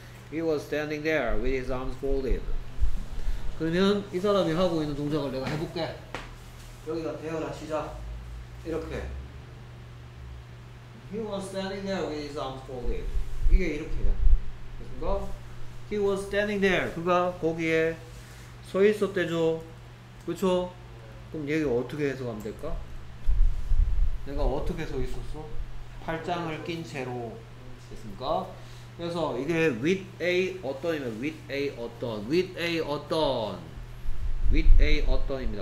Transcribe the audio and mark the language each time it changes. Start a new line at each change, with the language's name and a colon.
English: he was standing there with his arms folded.
Korean: 그러면 이 사람이 하고 있는 동작을 내가 해볼게. 여기다 대어라 치자. 이렇게
English: He was standing there with his arms folded.
Korean: 이게 이렇게 됐습니까?
English: He was standing there.
Korean: 그가 거기에 서 있었대죠. 그쵸? 그럼 얘기 어떻게 해석하면 될까? 내가 어떻게 서 있었어? 팔짱을 낀 채로 됐습니까? 그래서 이게 with a 어떤이면 with a 어떤 with a 어떤 with a 어떤입니다.